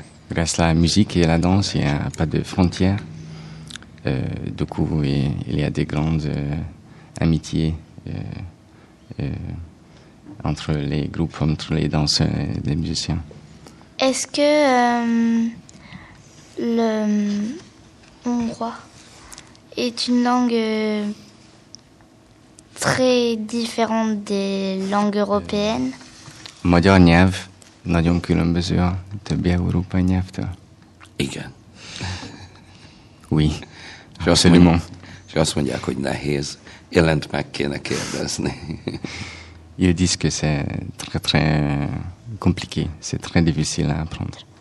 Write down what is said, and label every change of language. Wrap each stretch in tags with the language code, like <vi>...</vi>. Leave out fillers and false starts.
<fr>Grâce à la musique et à la danse, il n'y a pas de frontières. Du coup, il y a des grandes amitiés entre les groupes, entre les danseurs et les musiciens. Est-ce que le hongrois est une langue très différente des langues européennes?</fr> <hu>Magyar nyelv nagyon különböző a többi európai nyelvtől. Igen.</hu> <fr>Oui.</fr> <hu>És azt mondják, hogy nehéz. Jelent meg kéne kérdezni.</hu> <fr>Ils disent que c'est très très compliqué. C'est très difficile à apprendre.</fr>